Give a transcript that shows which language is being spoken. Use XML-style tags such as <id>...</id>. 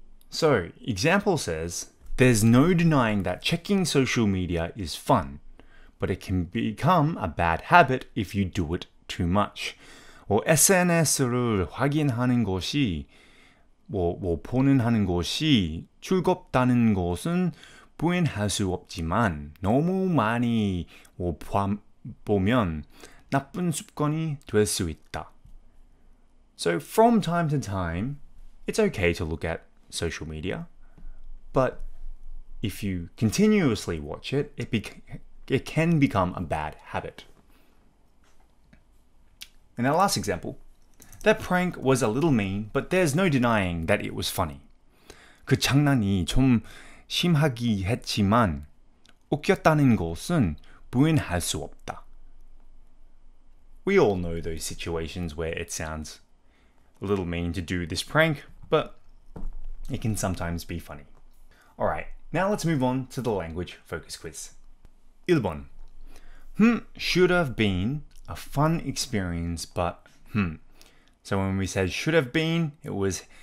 <en>So, example says, there's no denying that checking social media is fun, but it can become a bad habit if you do it too much.</en> <ko>Or SNS를 확인하는 것이 뭐 보는 하는 것이 즐겁다는 것은 부인할 수 없지만 너무 많이 보면 나쁜 습관이 될 수 있다.</ko> <en>So from time to time, it's okay to look at social media, but if you continuously watch it, it can become a bad habit. In our last example, that prank was a little mean, but there's no denying that it was funny.</en> <ko>그 장난이 좀 심하기 했지만 웃겼다는 것은 부인할 수 없다.</ko> <en>We all know those situations where it sounds a little mean to do this prank, but it can sometimes be funny. Alright, now let's move on to the language focus quiz.</en> <ko>1번.</ko> <en>Should have been a fun experience, but So when we said should have been, it was</en>